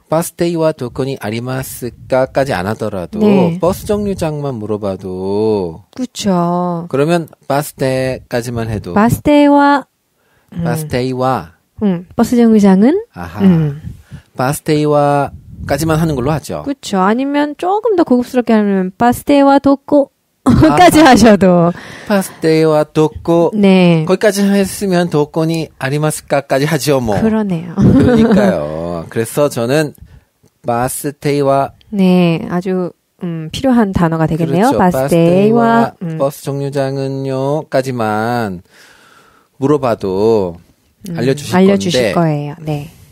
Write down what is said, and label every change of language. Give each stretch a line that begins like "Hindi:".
Japanese: バス停はどこにありますか?
Korean: 까지안하더라도、 네、 버스정류장만물어봐도 그쵸 그러면
Japanese: バス停
Korean: 까지만해도
Japanese: バス停はバス停は
Korean: 버스정류장은 아하
Japanese: バス停は
Korean: 까지만하는걸로하죠 그쵸아니면조금더고급스럽게하면
Japanese: バス停はどこ
Korean: 까지하셔도
Japanese: バス停はどこ
Korean: 네 거기까지했으면
Japanese: どこにありますか?
Korean: 까지하죠뭐 그러네요 그러니까요그래서저는바스테이와 네아주필요한단어가되겠네요 바스테이와버스정류장은요까지만물어봐도알려주실건데 알려주실거예요네